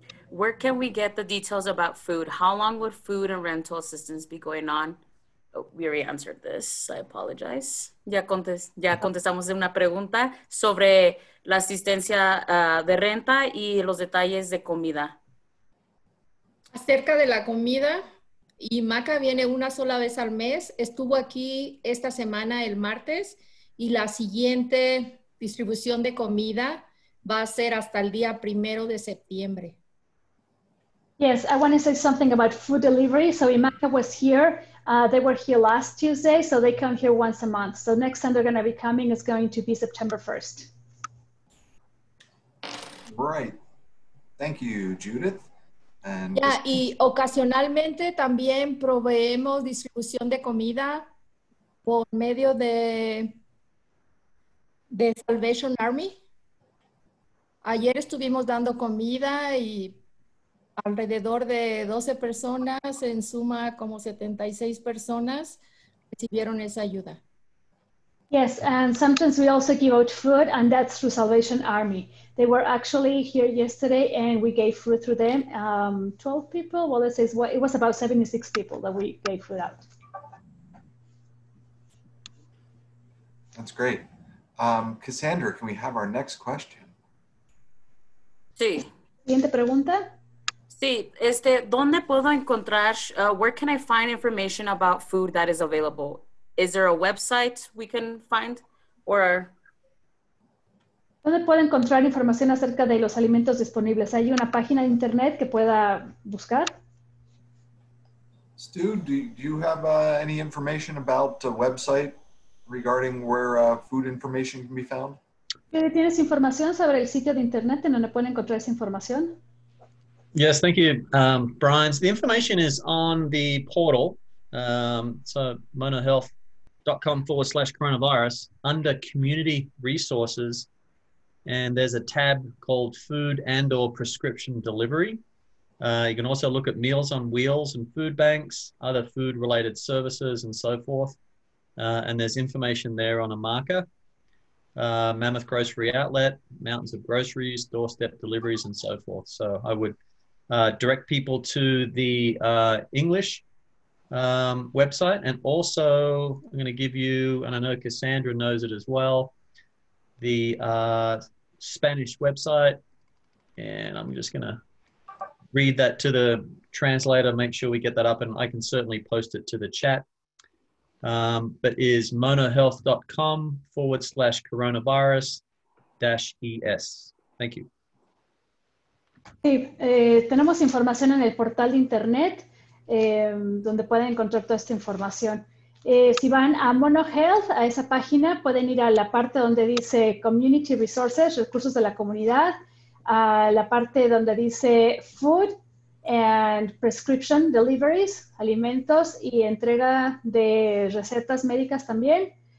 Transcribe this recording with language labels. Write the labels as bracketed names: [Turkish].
[English] Where can we get the details about food? How long would food and rental assistance be going on? Oh, we already answered this. I apologize. [Spanish] Ya contestamos una pregunta sobre la asistencia de renta y los detalles de comida. Acerca de la comida, y Maca viene una sola vez al mes. Estuvo aquí esta semana, el martes. Y la siguiente distribución de comida va a ser hasta el día primero de septiembre. [English] Yes, I want to say something about food delivery. So Imaka was here. They were here last Tuesday, so they come here once a month. So next time they're going to be coming is going to be September 1st. Right. Thank you, Judith. [Spanish] And yeah, y ocasionalmente también proveemos distribución de comida por medio de Salvation Army. Ayer estuvimos dando comida y alrededor de 12 personas, en suma como 76 personas, recibieron esa ayuda. [English] Yes, and sometimes we also give out food, and that's through Salvation Army. They were actually here yesterday, and we gave food through them. 12 people, well, let's say it was about 76 people that we gave food out. That's great. Cassandra, can we have our next question? [Spanish] Sí. ¿Siguiente pregunta? Sí, ¿dónde puedo encontrar, [English] where can I find information about food that is available? Is there a website we can find, or? [Spanish] ¿Dónde puedo encontrar información acerca de los alimentos disponibles? ¿Hay una página de internet que pueda buscar? [English] Stu, do you have any information about a website regarding where food information can be found? [Spanish] ¿Tienes información sobre el sitio de internet en donde pueden encontrar esa información? [English] Yes, thank you, Brian. So the information is on the portal, so monohealth.com/coronavirus, under community resources, and there's a tab called food and or prescription delivery. You can also look at Meals on Wheels and food banks, other food related services and so forth. And there's information there on a marker, Mammoth Grocery Outlet, Mountains of Groceries, doorstep deliveries and so forth. So I would direct people to the English website, and also I'm going to give you, and I know Cassandra knows it as well, the Spanish website, and I'm just going to read that to the translator, make sure we get that up, and I can certainly post it to the chat, but is monohealth.com/coronavirus-es. Thank you. [Spanish] Sí, tenemos información en el portal de internet donde pueden encontrar toda esta información. Si van a MonoHealth, a esa página, pueden ir a la parte donde dice Community Resources, recursos de la comunidad, a la parte donde dice Food and Prescription Deliveries, alimentos y entrega de recetas médicas también.